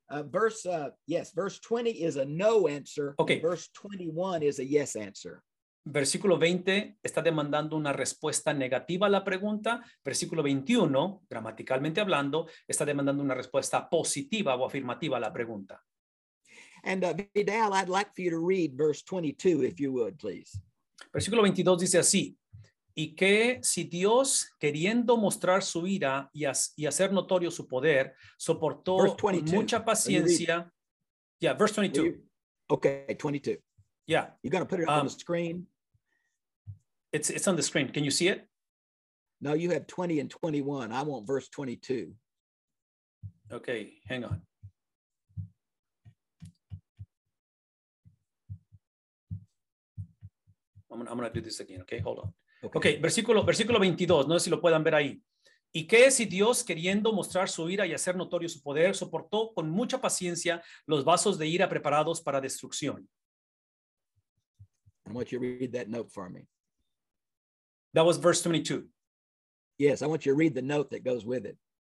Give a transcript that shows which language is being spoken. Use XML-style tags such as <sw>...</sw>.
<en>Verse 20 is a no answer. Okay. Verse 21 is a yes answer.</en> <es>Versículo 20 está demandando una respuesta negativa a la pregunta. Versículo 21, gramaticalmente hablando, está demandando una respuesta positiva o afirmativa a la pregunta.</es> <en>And Vidal, I'd like for you to read verse 22, if you would, please.</en> <es>Versículo 22 dice así: y que si Dios, queriendo mostrar su ira y hacer notorio su poder, soportó con mucha paciencia.</es> <en>Yeah, verse 22. Okay, 22. Yeah. You're going to put it on the screen? It's on the screen. Can you see it? No, you have 20 and 21. I want verse 22. Okay, hang on. I'm going to do this again. Okay, hold on.</en> <es>Okay, versículo 22, no sé si lo puedan ver ahí. ¿Y qué si Dios, queriendo mostrar su ira y hacer notorio su poder, soportó con mucha paciencia los vasos de ira preparados para destrucción?</es> <en>I want you to read that note for me. That was verse 22. Yes, I want you to read the note that goes with it.</en>